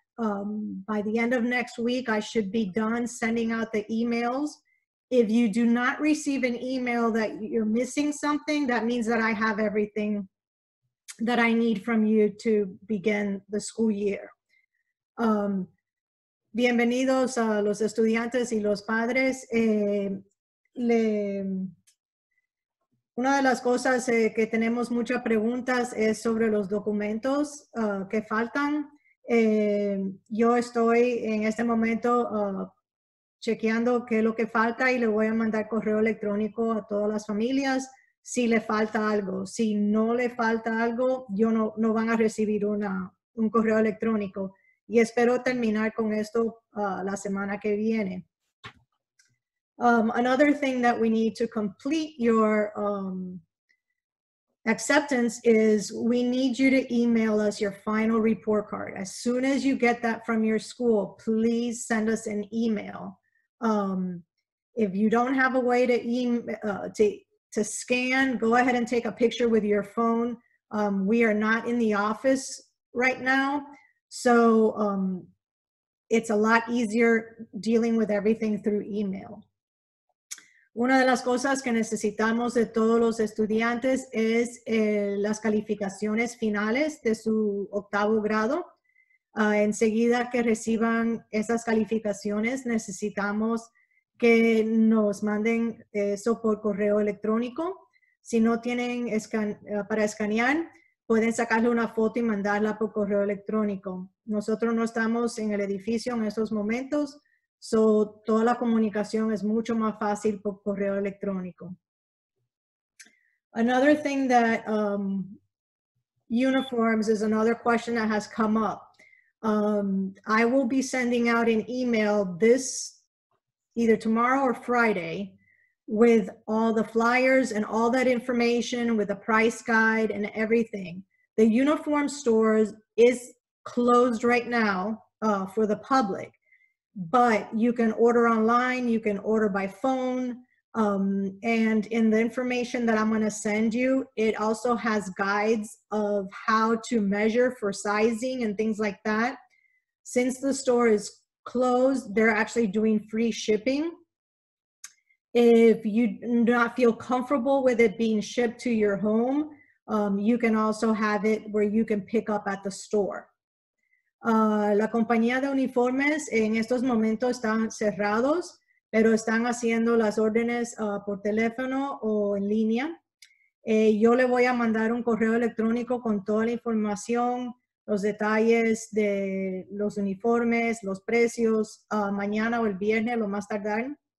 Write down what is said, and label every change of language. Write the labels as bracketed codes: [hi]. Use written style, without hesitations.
[en] By the end of next week, I should be done sending out the emails. If you do not receive an email that you're missing something, that means that I have everything that I need from you to begin the school year. [es] Bienvenidos a los estudiantes y los padres. Una de las cosas que tenemos muchas preguntas es sobre los documentos que faltan. Yo estoy en este momento chequeando qué es lo que falta y le voy a mandar correo electrónico a todas las familias. Si le falta algo, si no le falta algo, yo no van a recibir un correo electrónico. Y espero terminar con esto la semana que viene. [en] Another thing that we need to complete your acceptance is we need you to email us your final report card. As soon as you get that from your school, please send us an email. If you don't have a way to to scan, go ahead and take a picture with your phone. We are not in the office right now, so it's a lot easier dealing with everything through email. [es] Una de las cosas que necesitamos de todos los estudiantes es las calificaciones finales de su octavo grado. Enseguida que reciban esas calificaciones, necesitamos que nos manden eso por correo electrónico. Si no tienen para escanear, pueden sacarle una foto y mandarla por correo electrónico. Nosotros no estamos en el edificio en estos momentos, so toda la comunicación es mucho más fácil por correo electrónico. [en] Another thing that uniforms is another question that has come up. I will be sending out an email this either tomorrow or Friday with all the flyers and all that information with a price guide and everything. The uniform stores is closed right now for the public, but you can order online, you can order by phone. And in the information that I'm gonna send you, it also has guides of how to measure for sizing and things like that. Since the store is closed, they're actually doing free shipping. If you do not feel comfortable with it being shipped to your home, you can also have it where you can pick up at the store. [es] La compañía de uniformes en estos momentos están cerrados, pero están haciendo las órdenes por teléfono o en línea. Yo le voy a mandar un correo electrónico con toda la información los detalles de los uniformes, los precios, mañana o el viernes, lo más tardar.